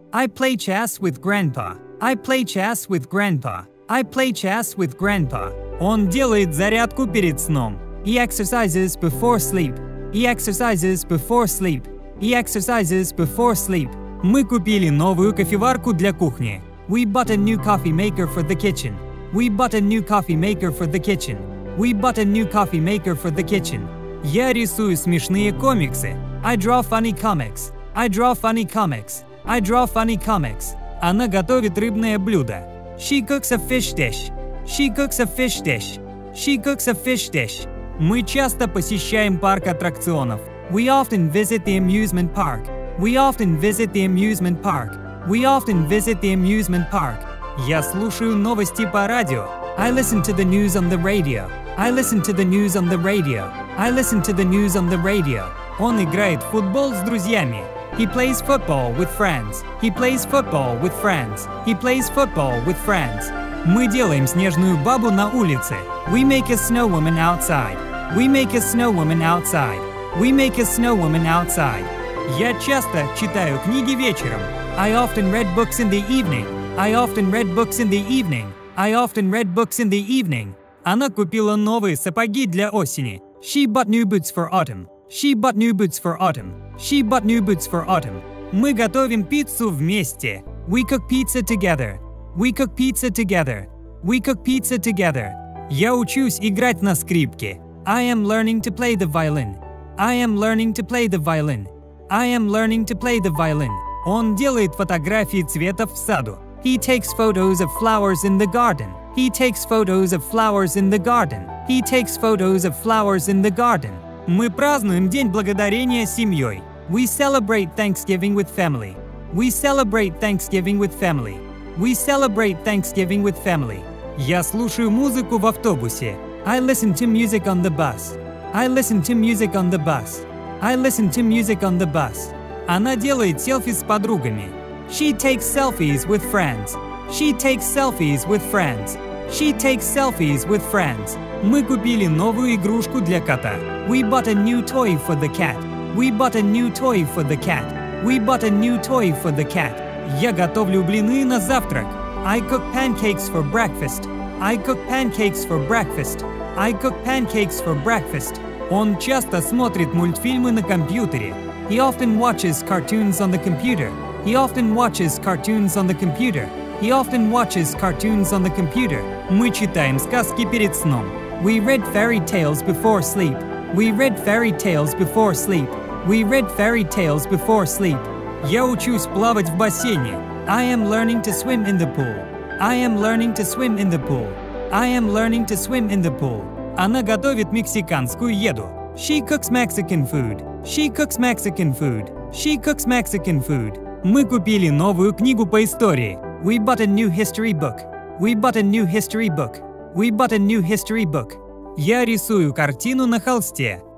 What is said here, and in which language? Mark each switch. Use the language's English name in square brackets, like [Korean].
[English] I play chess with grandpa. I play chess with grandpa. I play chess with grandpa. [Russian] Он делает зарядку перед сном. [English] He exercises before sleep. He exercises before sleep. He exercises before sleep. [Russian] Мы купили новую кофеварку для кухни. [English] We bought a new coffee maker for the kitchen. We bought a new coffee maker for the kitchen. We bought a new coffee maker for the kitchen. [Russian] Я рисую смешные комиксы. [English] I draw funny comics. I draw funny comics. I draw funny comics. [Russian] Она готовит рыбное блюдо. [English] She cooks a fish dish. She cooks a fish dish. She cooks a fish dish. [Russian] Мы часто посещаем парк аттракционов. [English] We often visit the amusement park. We often visit the amusement park. We often visit the amusement park. [Russian] Я слушаю новости по радио. [English] I listen to the news on the radio. I listen to the news on the radio. I listen to the news on the radio. [Russian] Он играет в футбол с друзьями. [English] He plays football with friends. He plays football with friends. He plays football with friends. [Russian] Мы делаем снежную бабу на улице. [English] We make a snow woman outside. We make a snow woman outside. We make a snow woman outside. [Russian] Я часто читаю книги вечером. [English] I often read books in the evening. I often read books in the evening. I often read books in the evening. [Russian] Она купила новые сапоги для осени. [English] She bought new boots for autumn. She bought new boots for autumn. She bought new boots for autumn. [Russian] Мы готовим пиццу вместе. [English] We cook pizza together. We cook pizza together. We cook pizza together. [Russian] Я учусь играть на скрипке. [English] I am learning to play the violin. I am learning to play the violin. I am learning to play the violin. [Russian] Он делает фотографии цветов в саду. [English] He takes photos of flowers in the garden. He takes photos of flowers in the garden. He takes photos of flowers in the garden. [Russian] Мы празднуем День благодарения с семьёй. [English] We celebrate Thanksgiving with family. We celebrate Thanksgiving with family. We celebrate Thanksgiving with family. [Russian] Я слушаю музыку в автобусе. [English] I listen to music on the bus. I listen to music on the bus. I listen to music on the bus. [Russian] Она делает селфи с подругами. [English] She takes selfies with friends. She takes selfies with friends. She takes selfies with friends. [Russian] Мы купили новую игрушку для кота. [English] We bought a new toy for the cat. We bought a new toy for the cat. We bought a new toy for the cat. [Russian] Я готовлю блины на завтрак. [English] I cook pancakes for breakfast. I cook pancakes for breakfast. I cook pancakes for breakfast. [Russian] Он часто смотрит мультфильмы на компьютере. [English] He often watches cartoons on the computer. He often watches cartoons on the computer. He often watches cartoons on the computer. [Russian] Мы читаем сказки перед сном. [English] We read fairy tales before sleep. We read fairy tales before sleep. We read fairy tales before sleep. [Russian] Я учусь плавать в бассейне. [English] I am learning to swim in the pool. I am learning to swim in the pool. I am learning to swim in the pool. [Russian] Она готовит мексиканскую еду. [English] She cooks Mexican food. She cooks Mexican food. She cooks Mexican food. [Russian] Мы купили новую книгу по истории. [English] We bought a new history book. We bought a new history book. We bought a new history book. [Russian] Я рисую картину на холсте.